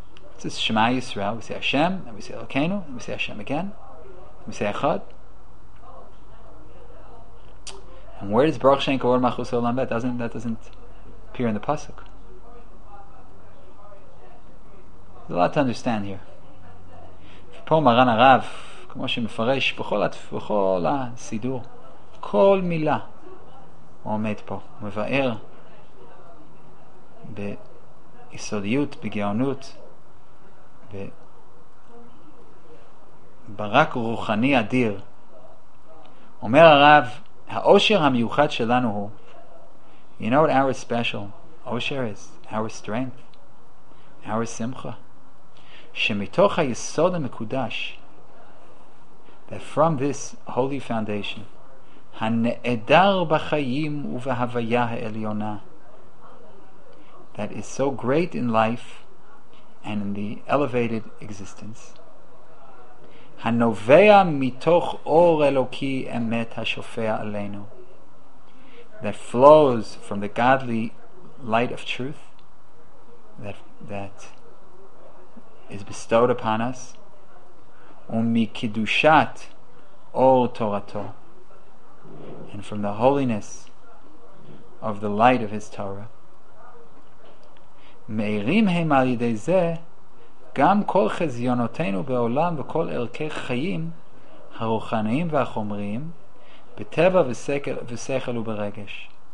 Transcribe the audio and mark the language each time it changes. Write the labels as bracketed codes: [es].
[en] What's this Shema Yisrael? We say Hashem, then we say Elokeinu, then we say Hashem again, then we say Echad. And where does Baruch Shem Kavod Malchus Olam Ve'ed? That doesn't appear in the Pasuk. There's a lot to understand here. [he] Po Maran Arav, כמו שמפרש, בכל הסידור, כל מילה הוא עומד פה, מבאר ביסודיות, בגאונות, בברק רוחני אדיר. אומר הרב, האושר המיוחד שלנו הוא, [en] you know what our special, אושר is our strength, our simcha. [he] שמתוך היסוד המקודש, [en] that from this holy foundation, [he] הנעדר בחיים ובהוויה העליונה, [en] that is so great in life and in the elevated existence, [he] הנובע מתוך אור אלוקי אמת השופע עלינו, [en] that flows from the godly light of truth, that is bestowed upon us, [he] ומקדושת אור תורתו, [en] and from the holiness of the light of his Torah. [he] מאירים הם על ידי זה גם כל חזיונותינו בעולם וכל ערכי חיים הרוחניים והחומריים בטבע ושכל וברגש.